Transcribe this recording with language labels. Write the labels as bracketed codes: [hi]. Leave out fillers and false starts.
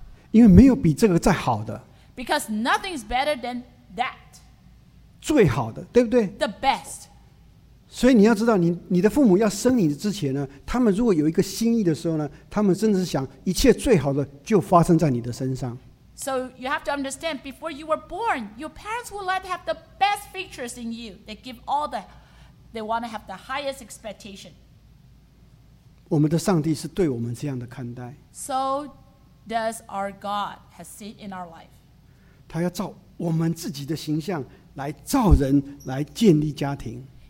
[zh] 因为没有比这个再好的。 [en] Because nothing is better than that. [zh] 最好的，对不对 [en] ？The best. [zh] 所以你要知道 你的父母要生你之前呢，他们如果有一个心意的时候呢，他们真的是想一切最好的就发生在你的身上。 [en] So you have to understand before you were born, your parents would like to have the best features in you. They give all the they want to have the highest expectation. [zh] 我们的上帝是对我们这样的看待。 [en] So does our God has seen in our life. [zh] 他要照我们自己的形象来造人，来建立家庭。